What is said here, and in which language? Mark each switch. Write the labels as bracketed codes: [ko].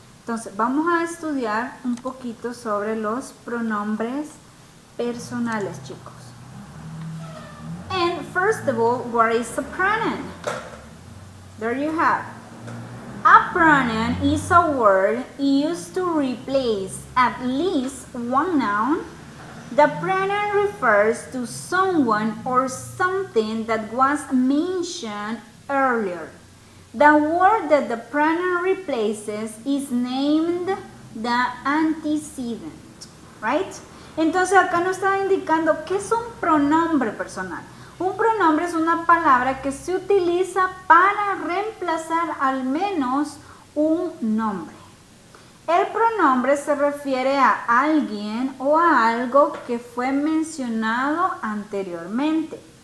[es] Entonces, vamos a estudiar un poquito sobre los pronombres personales, chicos. [en] And first of all, what is a pronoun? There you have. A pronoun is a word used to replace at least one noun. The pronoun refers to someone or something that was mentioned earlier. The word that the pronoun replaces is named the antecedent, right? [es] Entonces acá nos está indicando qué es un pronombre personal. Un pronombre es una palabra que se utiliza para reemplazar al menos un nombre. El pronombre se refiere a alguien o a algo que fue mencionado anteriormente.